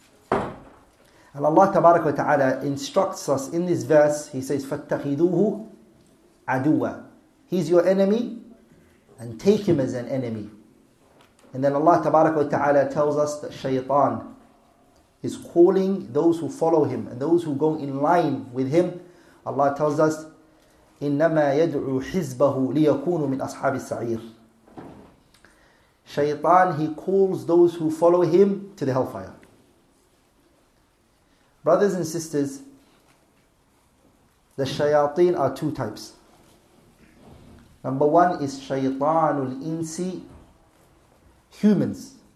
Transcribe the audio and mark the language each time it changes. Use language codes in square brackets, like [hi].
[en] And Allah tabarak wa ta'ala instructs us in this verse, he says, [ar] فَاتَّخِذُوهُ عَدُوًا, [en] he's your enemy, and take him as an enemy. And then Allah tabarak wa ta'ala tells us that Shaytan is calling those who follow him and those who go in line with him. Allah tells us, [ar] إِنَّمَا يَدْعُو حِزْبَهُ لِيَكُونُ مِنْ أَصْحَابِ السَّعِيرِ. [en] Shaytan, he calls those who follow him to the hellfire. Brothers and sisters, the shayateen are two types. Number one is shaytanul insi, humans.